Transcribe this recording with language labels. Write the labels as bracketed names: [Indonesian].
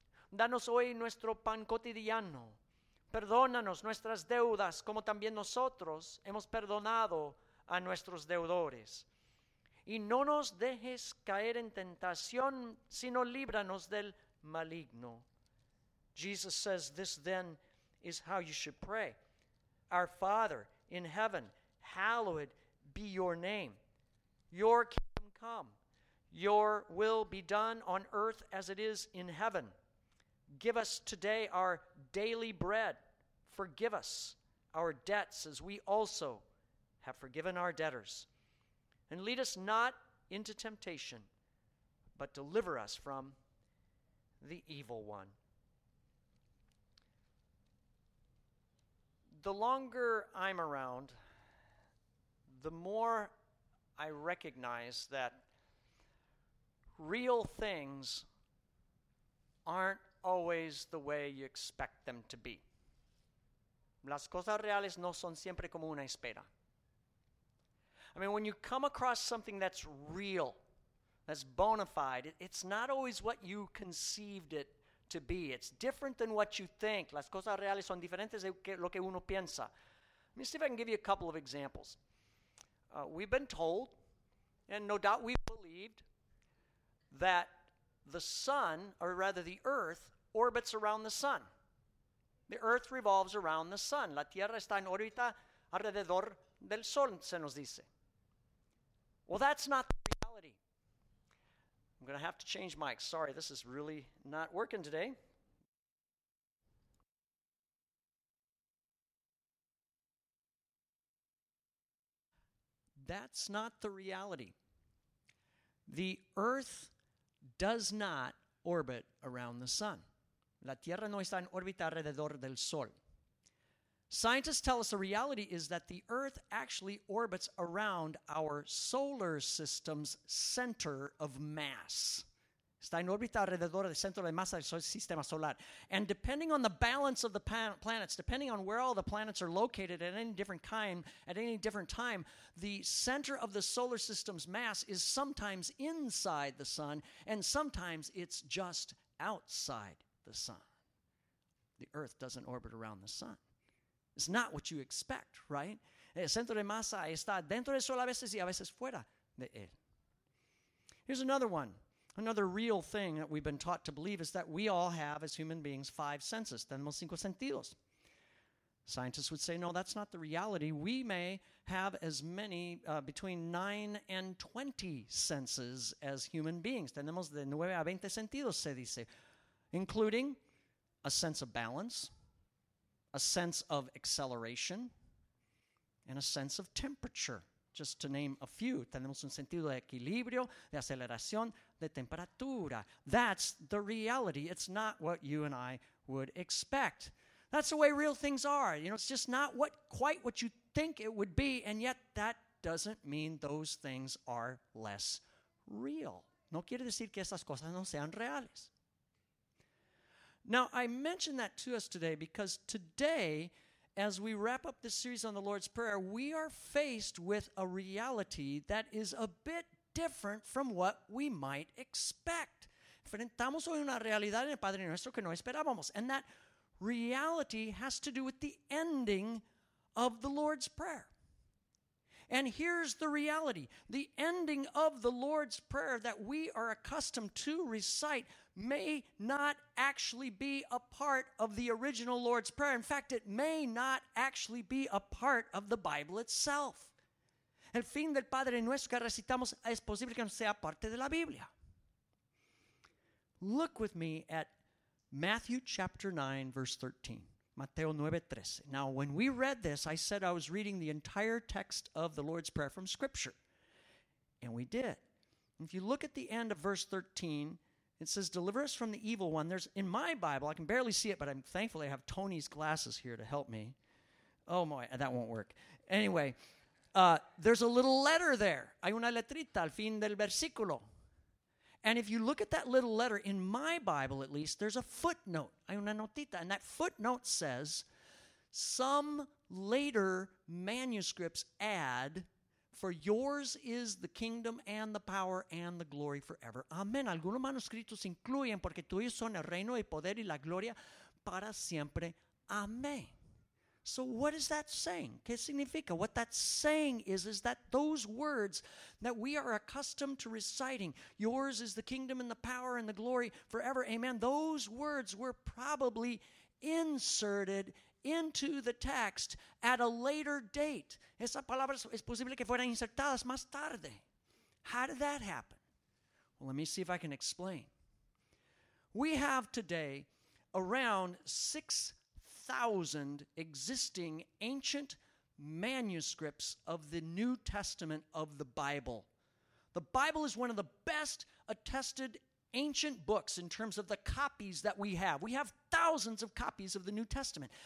[Spanish] Danos hoy nuestro pan cotidiano. Perdónanos nuestras deudas como también nosotros hemos perdonado a nuestros deudores. Y no nos dejes caer en tentación, sino líbranos del maligno. [English] Jesus says, this then is how you should pray. Our Father in heaven, hallowed be your name. Your kingdom come. Your will be done on earth as it is in heaven. Give us today our daily bread. Forgive us our debts as we also have forgiven our debtors. And lead us not into temptation, but deliver us from the evil one. The longer I'm around, the more I recognize that real things aren't always the way you expect them to be. [Spanish] Las cosas reales no son siempre como una espera. [English] I mean, when you come across something that's real, that's bona fide, it's not always what you conceived it to be. It's different than what you think. [Spanish] Las cosas reales son diferentes de lo que uno piensa. [English] Let me see if I can give you a couple of examples. We've been told, and no doubt we've believed, that the sun, or rather the earth, orbits around the sun. The earth revolves around the sun. [Spanish] La tierra está en órbita alrededor del sol, se nos dice. [English] Well, that's not the reality. I'm going to have to change mics. Sorry, this is really not working today. That's not the reality. The earth does not orbit around the sun. [Spanish] La Tierra no está en órbita alrededor del Sol. [English] Scientists tell us the reality is that the Earth actually orbits around our solar system's center of mass. [Spanish] Está en órbita alrededor del centro de masa del sistema solar. [English] And depending on the balance of the planets, depending on where all the planets are located at any different time, the center of the solar system's mass is sometimes inside the sun, and sometimes it's just outside the sun. The Earth doesn't orbit around the sun. It's not what you expect, right? [Spanish] El centro de masa está dentro del sol a veces y a veces fuera de él. [English] Here's another one. Another real thing that we've been taught to believe is that we all have, as human beings, five senses. [Spanish] Tenemos cinco sentidos. [English] Scientists would say, no, that's not the reality. We may have as many, between 9 and 20 senses as human beings. [Spanish] Tenemos de 9 a 20 sentidos, se dice, [English] including a sense of balance, a sense of acceleration, and a sense of temperature, just to name a few. [Spanish] Tenemos un sentido de equilibrio, de aceleración, de temperatura. [English] That's the reality. It's not what you and I would expect. That's the way real things are. You know, it's just not quite what you think it would be, and yet that doesn't mean those things are less real. [Spanish] No quiere decir que esas cosas no sean reales. [English] Now, I mention that to us today because today, as we wrap up this series on the Lord's Prayer, we are faced with a reality that is a bit different from what we might expect. [Spanish] Enfrentamos hoy una realidad en el Padre Nuestro que no esperábamos. [English] And that reality has to do with the ending of the Lord's Prayer. And here's the reality. The ending of the Lord's Prayer that we are accustomed to recite may not actually be a part of the original Lord's Prayer. In fact, it may not actually be a part of the Bible itself. [Spanish] El fin del Padre Nuestro que recitamos es posible que no sea parte de la Biblia. [English] Look with me at Matthew chapter 9, verse 13. [Spanish] Mateo 9:13. [English] Now, when we read this, I said I was reading the entire text of the Lord's Prayer from Scripture. And we did. If you look at the end of verse 13, it says, deliver us from the evil one. There's, in my Bible, I can barely see it, but I'm thankful I have Tony's glasses here to help me. Oh, my, that won't work. Anyway, there's a little letter there. [Spanish] Hay una letrita al fin del versículo. [English] And if you look at that little letter, in my Bible at least, there's a footnote. [Spanish] Hay una notita. [English] And that footnote says, some later manuscripts add, for yours is the kingdom and the power and the glory forever. Amen. [Spanish] Algunos manuscritos incluyen, porque tuyos son el reino, el poder y la gloria para siempre. [English] Amen. So what is that saying? [Spanish] ¿Qué significa? [English] What that's saying is that those words that we are accustomed to reciting, yours is the kingdom and the power and the glory forever, amen, those words were probably inserted into the text at a later date. [Spanish] Esas palabras es posible que fueran insertadas más tarde. [English] How did that happen? Well, let me see if I can explain. We have today around 6,000 existing ancient manuscripts of the New Testament of the Bible. The Bible is one of the best attested ancient books in terms of the copies that we have. We have thousands of copies of the New Testament.